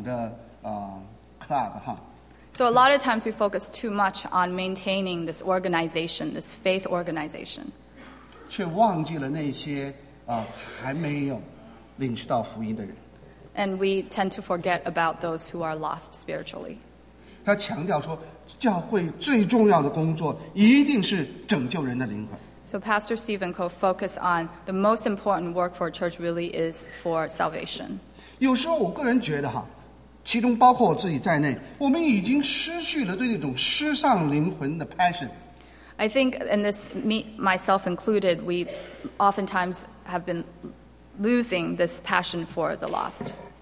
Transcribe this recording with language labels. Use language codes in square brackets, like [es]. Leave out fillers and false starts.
[zh] 我们都在冒这个险哈，常常我们就会有一个在这个维持教会的这样一个心态，我们很重集中精力在怎么样能够营造我们的一个信仰的club哈。 [en] So a lot of times we focus too much on maintaining this organization, this faith organization. [zh] 却忘记了那些, 还没有领受到福音的人。 [en] And we tend to forget about those who are lost spiritually. [zh] 他强调说, 教会最重要的工作一定是拯救人的灵魂。 [en] So Pastor Stephen Koh focused on the most important work for a church really is for salvation. [zh] 有时候我个人觉得哈, 其中包括我自己在内，我们已经失去了对那种失丧灵魂的 passion. [en] I think, and this me myself included, we oftentimes have been losing this passion for the lost.